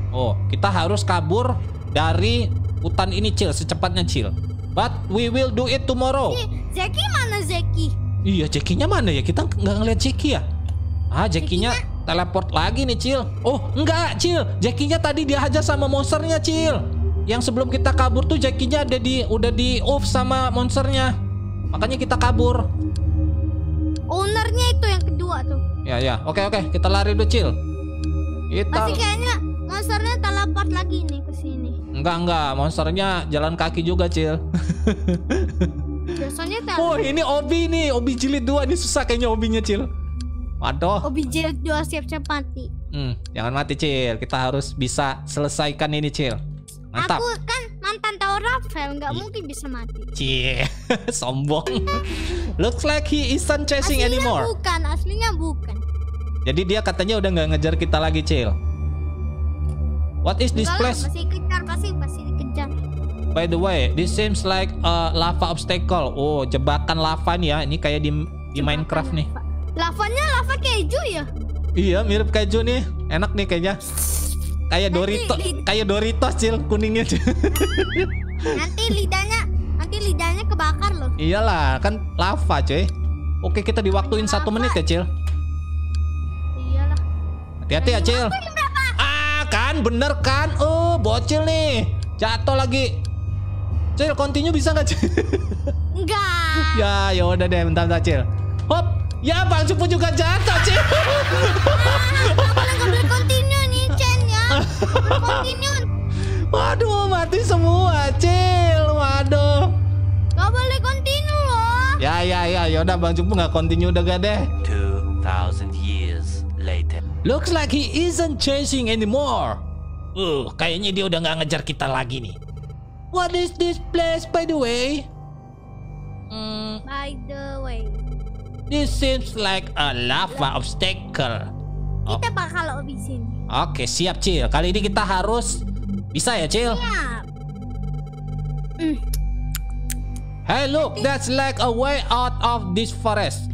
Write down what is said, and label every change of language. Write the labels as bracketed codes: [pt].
[id] Oh, kita harus kabur dari hutan ini, Cil, secepatnya, Cil. [en] But we will do it tomorrow. [id] Jackie mana, Jackie? Iya, Jackie-nya mana ya? Kita nggak ngeliat Jackie ya? Jackie-nya teleport lagi nih, Cil. Oh, enggak, Cil. Jackie-nya tadi dihajar sama monsternya, Cil. Yang sebelum kita kabur tuh Jackie-nya udah di off sama monsternya. Makanya kita kabur. Ownernya itu yang kedua tuh. Ya. Oke. Kita lari dulu, Cil. Kita... Masih kayaknya monsternya teleport lagi nih ke sini. Enggak. Monsternya jalan kaki juga, Cil. Biasanya tak. Ini obi nih, obi jilid 2 nih, susah kayaknya obinya, Cil. Waduh. Obi jilid 2 siap-siap mati. Jangan mati, Cil. Kita harus bisa selesaikan ini, Cil. Mantap. Aku kan mantan Tower Raphael, enggak mungkin bisa mati. Cil. Sombong. [en] Looks like he isn't chasing [id] aslinya [en] anymore. [id] Aslinya bukan. Jadi dia katanya udah enggak ngejar kita lagi, Cil. [en] What is this place? [id] Masih dikejar. [en] By the way, this seems like a lava obstacle. [id] Jebakan lava nih ya. Ini kayak di Minecraft nih. Lavanya lava keju ya? Iya, mirip keju nih. Enak nih kayaknya. Kayak Doritos, Cil, kuningnya. Nanti lidahnya kebakar loh. Iyalah, kan lava cuy. Oke, kita diwaktuin 1 menit ya, Cil. Iyalah. Hati-hati ya, Cil. Ah, kan bener kan? Bocil nih. Jatuh lagi. Cil, continue bisa enggak, Cil? Enggak. Ya, ya udah deh, bentar-bentar, Cil. Hop. Ya, Bang Cupu juga jatuh, Cil. Ah, enggak continue nih, Chen ya. Continue. Waduh, mati semua, Cil. Waduh. Enggak boleh continue loh. Ya, ya, ya, ya udah Bang Cupu enggak continue udah enggak deh. [en] 2000 years later. Looks like he isn't chasing anymore. [id] Kayaknya dia udah enggak ngejar kita lagi nih. [en] What is this place, by the way? By the way, this seems like a lava obstacle. [id] Kita bakal abisin. Oke, siap, Cil. Kali ini kita harus bisa ya, Cil? Siap. [en] Hey, look, that's like a way out of this forest.